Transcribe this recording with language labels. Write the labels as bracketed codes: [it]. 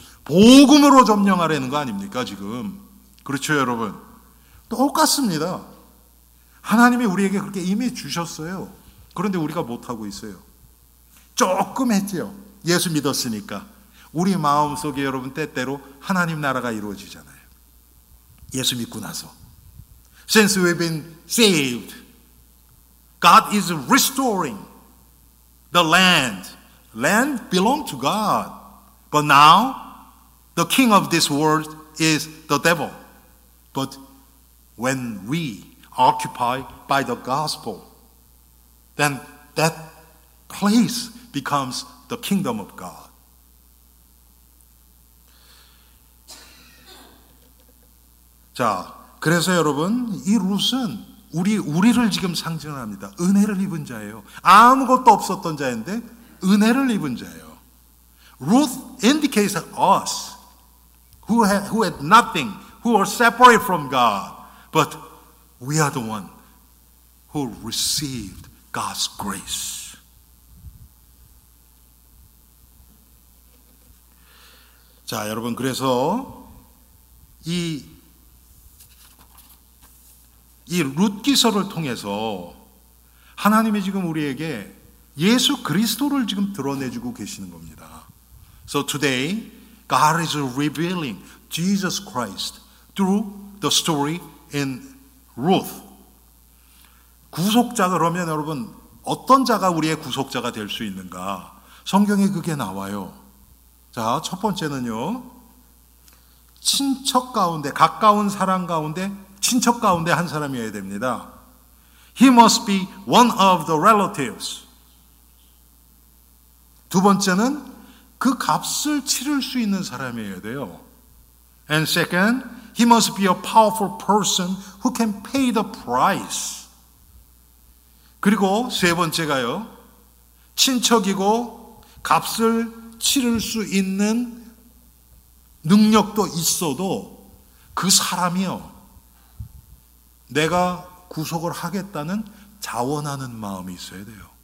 [ko] 복음으로 점령하라는 거 아닙니까, 지금? 그렇죠, 여러분? 똑같습니다. 하나님이 우리에게 그렇게 이미 주셨어요. 그런데 우리가 못하고 있어요. 조금 했죠. 예수 믿었으니까. 우리 마음속에 여러분 때때로 하나님 나라가 이루어지잖아요. 예수 믿고 나서. [en] Since we've been saved, God is restoring the land. Land belongs to God. But now, the king of this world is the devil. But when we occupy by the gospel, then that place becomes the kingdom of God. [ko] 자, 그래서 여러분, 이 룻은 우리를 지금 상징합니다. 은혜를 입은 자예요. 아무것도 없었던 자인데 은혜를 입은 자예요. [en] Ruth indicates us who had nothing, who were separated from God, but we are the one who received God's grace. [ko] 자, 여러분, 그래서 이 룻기서를 통해서 하나님이 지금 우리에게 예수 그리스도를 지금 드러내주고 계시는 겁니다. [en] So today, God is revealing Jesus Christ through the story in Ruth. [ko] 구속자 그러면 여러분 어떤 자가 우리의 구속자가 될 수 있는가? 성경에 그게 나와요. 자, 첫 번째는요. 친척 가운데 가까운 사람 가운데 친척 가운데 한 사람이어야 됩니다. [en] He must be one of the relatives. [ko] 두 번째는 그 값을 치를 수 있는 사람이어야 돼요. [en] And second, he must be a powerful person who can pay the price. [ko] 그리고 세 번째가요. 친척이고 값을 치를 수 있는 능력도 있어도 그 사람이요. 내가 구속을 하겠다는 자원하는 마음이 있어야 돼요.